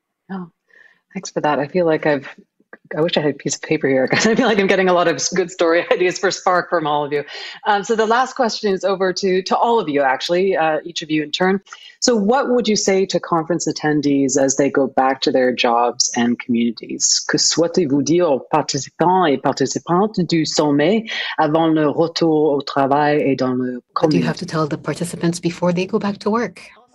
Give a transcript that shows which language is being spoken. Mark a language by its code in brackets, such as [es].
[en] Oh, thanks for that. I wish I had a piece of paper here because I feel like I'm getting a lot of good story ideas for Spark from all of you. So the last question is over to all of you, actually, each of you in turn. So what would you say to conference attendees as they go back to their jobs and communities? [fr] Que souhaitez-vous dire aux participants et participantes du sommet avant le retour au travail et dans le [en] community? What do you have to tell the participants before they go back to work?